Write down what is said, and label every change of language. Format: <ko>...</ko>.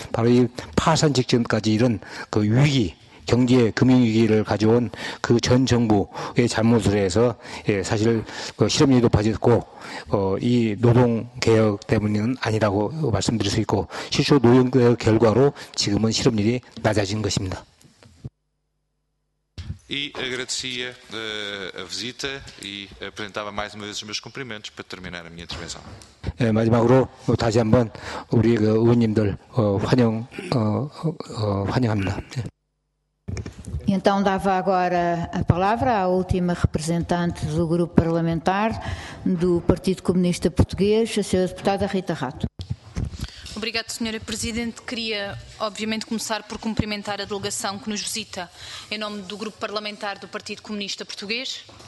<ko>바로 이 파산 직전까지 이런 그 위기 경제 금융위기를 가져온 그 전 정부의 잘못을 해서 사실 그 실업률이 높아졌고 이 노동개혁 때문은 아니라고 말씀드릴 수 있고 실제 노동개혁 결과로 지금은 실업률이 낮아진 것입니다.</ko> <pt>E agradecia a visita e apresentava mais uma vez os meus cumprimentos para terminar a minha intervenção.</pt> <ko>마지막으로 다시 한번 우리 그 의원님들 환영합니다.</ko> <pt>Então dava agora a palavra à última representante do grupo parlamentar do Partido Comunista Português, a senhora deputada Rita Rato. Obrigada, senhora Presidente. Queria, obviamente, começar por cumprimentar a delegação que nos visita em nome do grupo parlamentar do Partido Comunista Português.</pt>